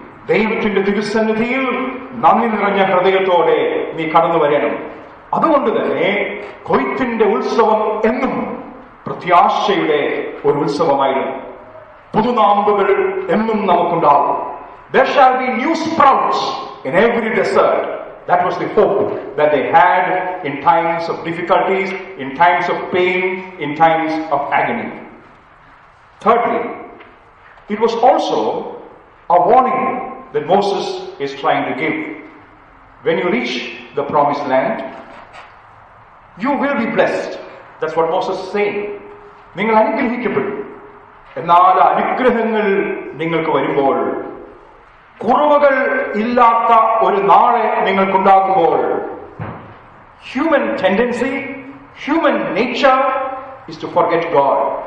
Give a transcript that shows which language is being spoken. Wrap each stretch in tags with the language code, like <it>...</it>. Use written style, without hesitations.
<ml>ദൈവത്തിന്റെ തിരുസന്നിധിയിൽ നന്ദി നിറഞ്ഞ ഹൃദയത്തോടെ നീ കടന്നു വരണം. അതുകൊണ്ട് തന്നെ കൊയ്ത്തിന്റെ ഉത്സവം എന്നും പ്രത്യാശയുടെ ഒരു ഉത്സവമായിരുന്നു. പുതുനാമ്പുകൾ എന്നും നമുക്കുണ്ടാകും.</ml> <en>There shall be new sprouts in every desert. That was the hope that they had in times of difficulties, in times of pain, in times of agony. Thirdly, it was also a warning that Moses is trying to give. When you reach the promised land, you will be blessed. That's what Moses is saying.</en> <ml>നിങ്ങൾ അനുഗ്രഹിക്കപ്പെടും. എന്നാൽ അനുഗ്രഹങ്ങൾ നിങ്ങൾക്ക് വരുമ്പോൾ, കുറവുകൾ ഇല്ലാത്ത ഒരു നാളെ നിങ്ങൾക്കുണ്ടാകുമ്പോൾ,</ml> <en>Human tendency, human nature is to forget God.</en>